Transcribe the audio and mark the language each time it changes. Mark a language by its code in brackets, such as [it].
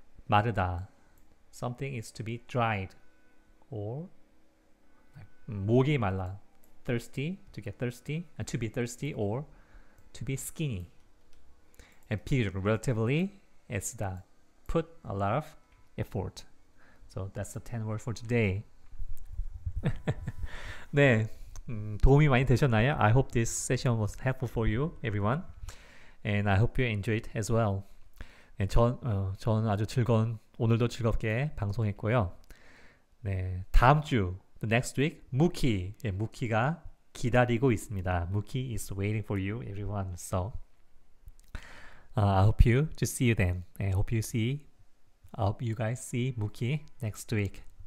[en] 마르다, something is to be dried, or like, 목이 말라, thirsty, to get thirsty, to be thirsty, or to be skinny. And 비교적, relatively, 애쓰다, put a lot of effort. So that's the 10 words for today. [ko] 네, 도움이 많이 되셨나요? [en] I hope this session was helpful for you, everyone. And I hope you enjoy it as well. [ko] 네, 저는 아주 즐거운, 오늘도 즐겁게 방송했고요. 네, 다음 주, [en] the next week, [ko] 무키. 네, 무키가 기다리고 있습니다. [en] 무키 is waiting for you, everyone. So, I hope you to see you then. I hope you see, I hope you guys see 무키 next week.